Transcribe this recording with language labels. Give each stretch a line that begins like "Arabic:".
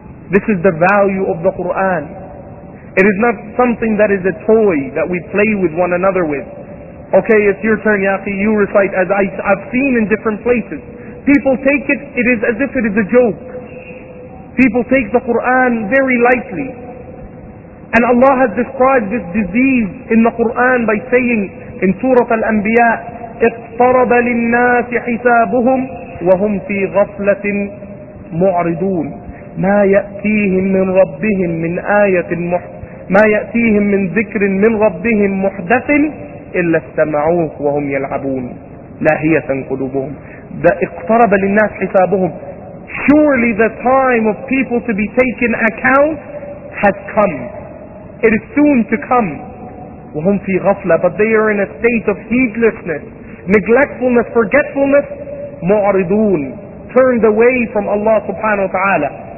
English: This is the value of the Qur'an. It is not something that is a toy that we play with one another with. Okay, it's your turn, Yaqi, you recite, as I've seen in different places. People take it, it is as if it is a joke. People take the Qur'an very lightly. And Allah has described this disease in the Qur'an by saying in Surah Al-Anbiya,
Arabic: اقترب للناس حسابهم وهم في غفلة معرضون ما يأتيهم من ربهم من آية ما يأتيهم من ذكر من ربهم محدث إلا استمعوه وهم يلعبون لاهية قلوبهم. اقترب للناس حسابهم,
English: surely the time of people to be taken account has come, it is soon to come.
Arabic: وهم في غفلة,
English: but they are in a state of heedlessness, neglectfulness, forgetfulness, mu'aridun, turned away from Allah subhanahu wa ta'ala.